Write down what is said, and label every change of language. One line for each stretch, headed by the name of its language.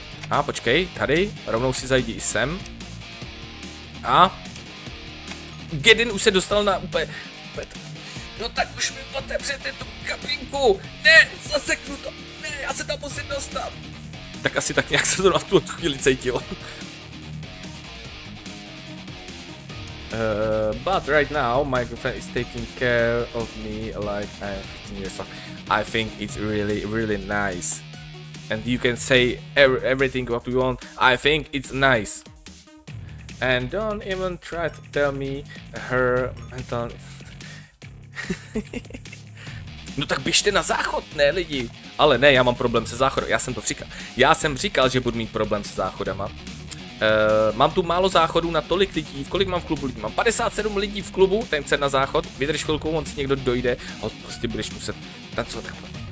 Czech: A počkej, tady, rovnou si zajdi i sem. A... Gedin už se dostal na úplně... No tak už mi otevřete tu kabinku! Ne, zaseknu to! Ne, já se tam musím dostat! Tak asi tak nějak se to na tuto chvíli cítilo.
English: But right now my girlfriend is taking care of me like I'm 15 years old. I think it's really, really nice. And you can say everything what you want. I think it's nice. And don't even try to tell me her mental...
Czech: No tak běžte na záchod, ne lidi? Ale ne, já mám problém se záchodem. Já jsem říkal, že budu mít problém se záchodama. Mám tu málo záchodů na tolik lidí. Kolik mám v klubu lidí? Mám 57 lidí v klubu, ten chce na záchod. Vydrž chvilku, on si někdo dojde. A prostě budeš muset tancovat takhle.